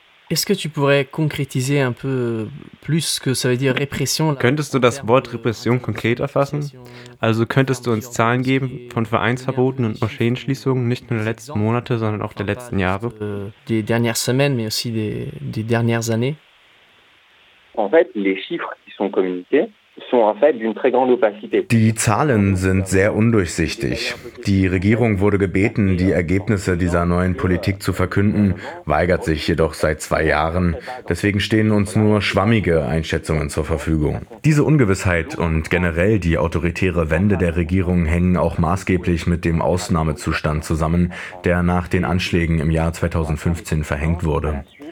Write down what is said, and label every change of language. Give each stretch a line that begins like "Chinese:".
French: Est-ce que tu pourrais concrétiser un peu plus ce que ça veut dire répression?
German: Könntest du das Wort Repression konkret erfassen? Also könntest du uns Zahlen geben von Vereinsverboten und Moscheenschließungen nicht nur der letzten Monate, sondern auch der letzten Jahre?
French: Des dernières semaines, mais aussi des dernières années. En fait, les chiffres qui sont communiqués sont en fait d'une très grande opacité.
German: Die Zahlen sind sehr undurchsichtig. Die Regierung wurde gebeten, die Ergebnisse dieser neuen Politik zu verkünden, weigert sich jedoch seit 2 Jahren. Deswegen stehen uns nur schwammige Einschätzungen zur Verfügung. Diese Ungewissheit und generell die autoritäre Wende der Regierung hängen auch maßgeblich mit dem Ausnahmezustand zusammen, der nach den Anschlägen im Jahr 2015 verhängt wurde.